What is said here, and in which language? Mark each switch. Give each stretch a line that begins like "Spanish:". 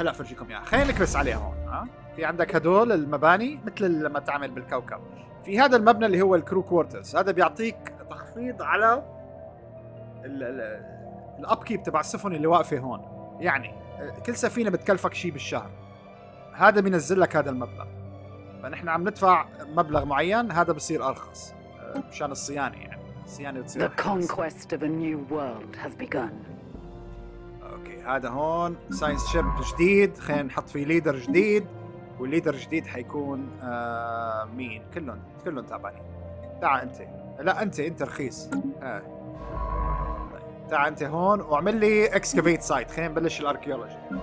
Arabic: هلأ فرجيكم إياه، خلينا نكبس عليها هون. في عندك هدول المباني مثل لما تعمل بالكوكب، في هذا المبنى اللي هو الكرو كوارترز، هذا بيعطيك تخفيض على الأبكيب تبع السفن اللي واقفة هون. يعني كل سفينة بتكلفك شيء بالشهر، هذا بينزل لك هذا المبلغ. فنحن عم ندفع مبلغ معين، هذا بصير أرخص مشان الصيانة. يعني الصيانة بتصير
English: The conquest of a new world has begun.
Arabic: أوكي، هذا هون ساينس شيب جديد، خلينا نحط فيه ليدر جديد. والليدر الجديد حيكون مين؟ كلهم تعبانين. تعا أنت، لا أنت، أنت رخيص. تعا أنت هون وعمل لي إكسكافيت سايت، خلينا نبلش الأركيولوجي.